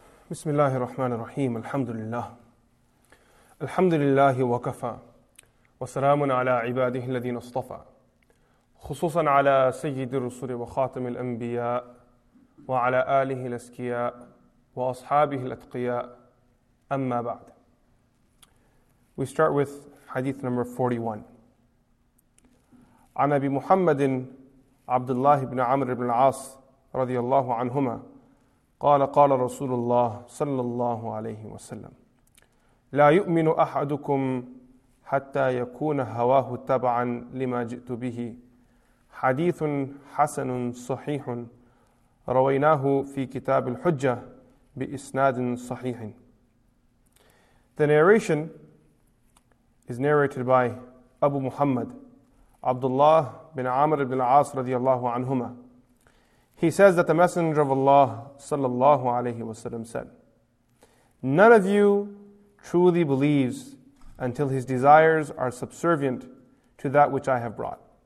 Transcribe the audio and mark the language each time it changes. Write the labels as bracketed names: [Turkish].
[Arabic] بسم الله الرحمن الرحيم الحمد لله الحمد لله وكفى وسلام على عباده الذين اصطفى خصوصا على سيد الرسل وخاتم الأنبياء وعلى آله الأسكياء وأصحابه الأتقياء أما بعد. [English] We start with hadith number 41. [Arabic] عن أبي محمد عبد الله بن عمرو بن العاص رضي الله عنهما قال قال رسول الله صلى الله عليه وسلم لا يؤمن أحدكم حتى يكون هواه تبعا لما جئت به حديث حسن صحيح رويناه في كتاب الحجة بإسناد صحيح. [English] The narration is narrated by Abu Muhammad Abdullah bin Amr ibn al-As radiyallahu anhuma. He says that the Messenger of Allah sallallahu alayhi wasallam said, none of you truly believes until his desires are subservient to that which I have brought.